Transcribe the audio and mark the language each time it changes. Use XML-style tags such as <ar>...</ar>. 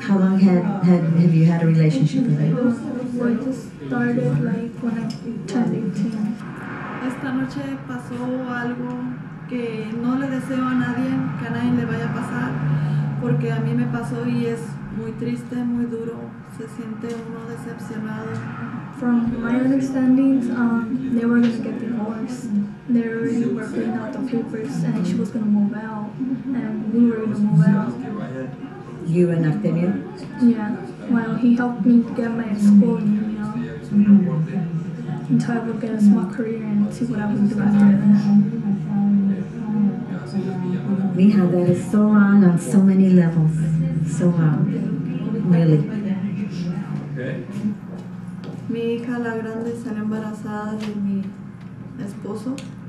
<en>How long have you had a relationship with him? I just started like when I turned 18.</en> <es>Esta noche pasó algo que no le deseo a nadie, que a nadie le vaya a pasar, porque a mí me pasó y es muy triste, muy duro. Se siente uno decepcionado.</es> <en>From my understanding, they were going to get divorced. They already were putting out the papers, and she was going to move out, and we were going to move out. You and Octavio? Yeah. Well, he helped me get my school, you know, until I would get a small career and see what I would do after that. Mija, that is so wrong on so many levels. So wrong. Really.</en> <es>Mi hija, la grande, sale embarazada de mi esposo.</es>